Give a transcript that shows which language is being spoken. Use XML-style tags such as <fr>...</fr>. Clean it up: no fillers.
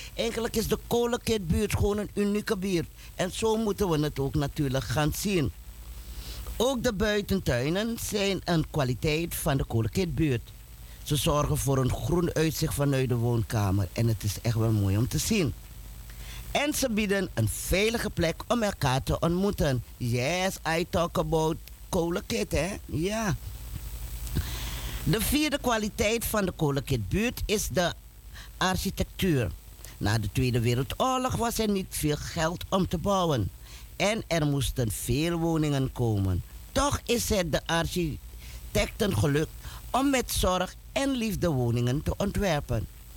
<nl>Eigenlijk is de Kolenkitbuurt gewoon een unieke buurt. En zo moeten we het ook natuurlijk gaan zien. Ook de buitentuinen zijn een kwaliteit van de Kolenkitbuurt. Ze zorgen voor een groen uitzicht vanuit de woonkamer. En het is echt wel mooi om te zien. En ze bieden een veilige plek om elkaar te ontmoeten.</nl> <en>Yes, I talk about Kolenkit, hè?</en> <nl>Ja. De vierde kwaliteit van de Kolenkitbuurt is de architectuur. Na de Tweede Wereldoorlog was er niet veel geld om te bouwen. En er moesten veel woningen komen. Toch is het de architecten gelukt om met zorg en liefde woningen te ontwerpen.</nl>